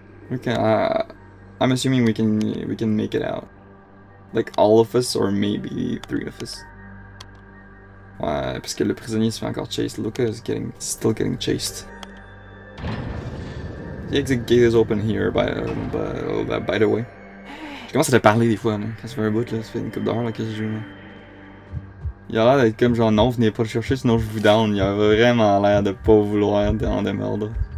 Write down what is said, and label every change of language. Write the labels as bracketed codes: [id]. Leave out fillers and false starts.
[en] We can, I'm assuming we can make it out. Like all of us, or maybe three of us. [fr] Ouais, parce que le prisonnier se fait encore chase. [en] Luca is getting, still getting chased. The exit gate is open here, by the way. [fr] Je commence à te parler des fois, hein, quand c'est un bout, là, ça fait une couple d'heures, là, que je joue, là. Il a l'air d'être comme genre, non, venez pas le chercher, sinon je vous down. Il a vraiment l'air de pas vouloir en démerde.